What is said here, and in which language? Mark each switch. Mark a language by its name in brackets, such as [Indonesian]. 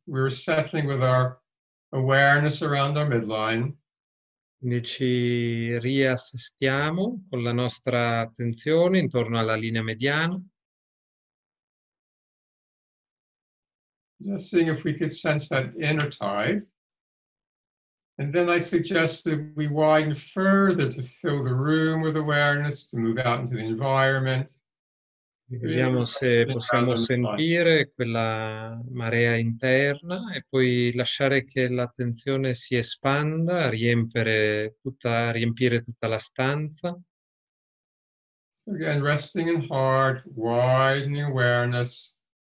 [English] We're settling with our awareness around our midline. [Italian] Quindi ci riassestiamo con la nostra attenzione intorno alla linea mediana. [English] Just seeing if we could sense that inner tide. And then I suggest that we widen further to fill the room with awareness, to move out into the environment. [Italian] Vediamo se possiamo sentire quella marea interna e poi lasciare che l'attenzione si espanda, riempire tutta la stanza. [English] Again, resting in heart, widening awareness.